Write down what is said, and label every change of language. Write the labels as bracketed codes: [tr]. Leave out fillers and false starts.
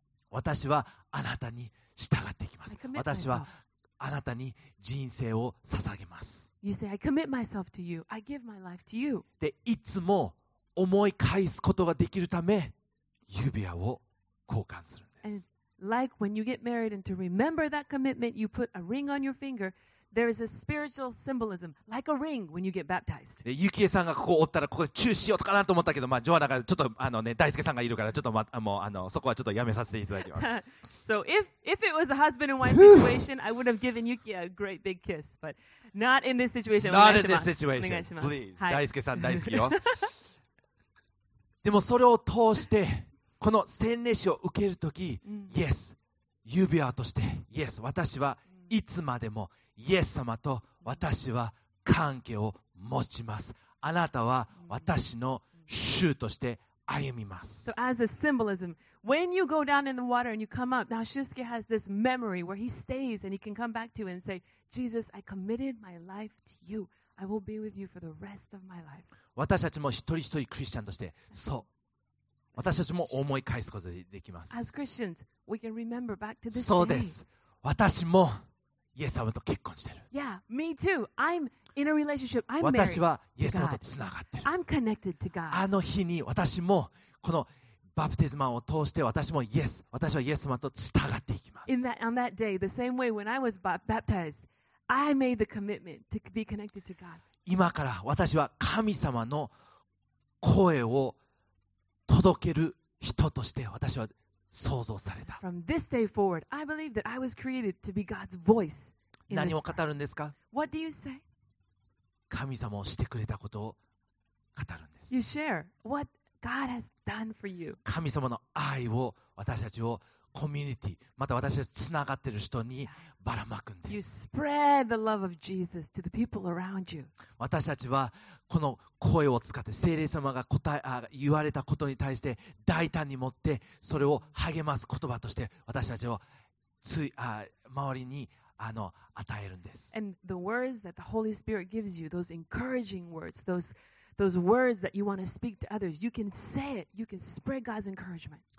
[ja] 私はあなたに従っていきます。私はあなたに人生を捧げます。 [en] You say, I commit myself to you. I give my life to you. [ja] で、いつも思い返すことができるため、指輪を交換するんです。 [en] And like when you get married and to remember that commitment, you put a ring on your finger. There is a spiritual symbolism, like a ring when you get baptized. [ja] で、ユキエさんがここおったらここで中止しようかなと思ったけど、まあ、ジョアナがちょっとね、大輔さんがいるから、ちょっと、もうそこはちょっとやめさせていただきます。 [en] So if it was a husband and wife situation, I would have given Yuki a great big kiss, but... Not in this situation. Not in this situation. Please. [ja] 大輔さん大好きよ。でもそれを通してこの洗礼式を受けるとき、Yes, 指輪として、Yes, 私はいつまでもイエス様と私は関係を持ちます。あなたは私の主として歩みます。 [en] So as a symbolism, when you go down in the water and you come up, now Shusuke has this memory where he stays and he can come back to and say. Jesus, I committed my life to you. I will be with you for the rest of my life. [ja] 私たちも一人一人クリスチャンとして、そう。私たちも思い返すことができます。 [en] As Christians, we can remember back to this [ja] day. そうです。私もイエス様と結婚してる。 [en] Yeah, me too. I'm in a relationship. I'm married. [ja] 私はイエス様とつながってる。 [en] I'm connected to God. [ja] あの日に私もこのバプテスマを通して私もイエス、私はイエス様と従っていきます。 [en] In that, on that day, the same way when I was baptized,I made the commitment to be connected to God. [ja] 今から私は神様の声を届ける人として私は創造された。 [en] From this day forward, I believe that I was created to be God's voice. [ja] 何を語るんですか？ [en] What do you say? [ja] 神様をしてくれたことを語るんです。 [en] You share what God has done for you. [ja] 神様の愛を私たちをコミュニティ、また私たちがつながっている人にばらまくんです。 [en] You spread the love of Jesus to the people around you. [ja] 私たちはこの声を使って聖霊様が言われたことに対して大胆に持ってそれを励ます言葉として私たちをつあ周りにあの与えるんです。 [en] And the words that the Holy Spirit gives you, those encouraging words, those words that you want to speak to others, you can say it, you can spread God's encouragement.